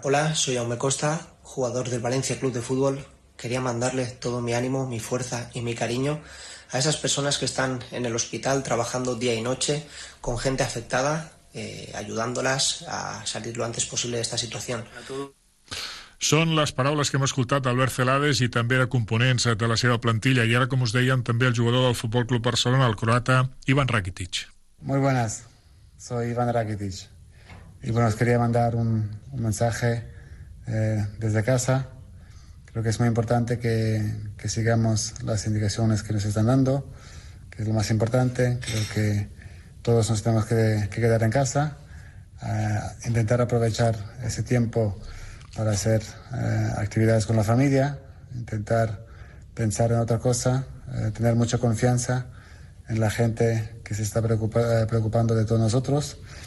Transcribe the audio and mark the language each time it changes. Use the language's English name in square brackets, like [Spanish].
[Spanish] Hola, soy Jaume Costa, jugador del Valencia Club de Fútbol. Quería mandarle todo mi ánimo, mi fuerza y mi cariño a esas personas que están en el hospital trabajando día y noche con gente afectada, ayudándolas a salir lo antes posible de esta situación. [Catalan] Són les paraules que hem escoltat d'Albert Celades i també de components de la seva plantilla. I ara, com us dèiem, també el jugador del Futbol Club Barcelona, el croata Ivan Rakitic. [Spanish] Muy buenas, soy Ivan Rakitic. Y bueno, os quería mandar un mensaje desde casa. Creo que es muy importante que sigamos las indicaciones que nos están dando, que es lo más importante. Creo que todos nos tenemos que quedar en casa, intentar aprovechar ese tiempo para hacer actividades con la familia, intentar pensar en otra cosa, tener mucha confianza en la gente que se está preocupando de todos nosotros.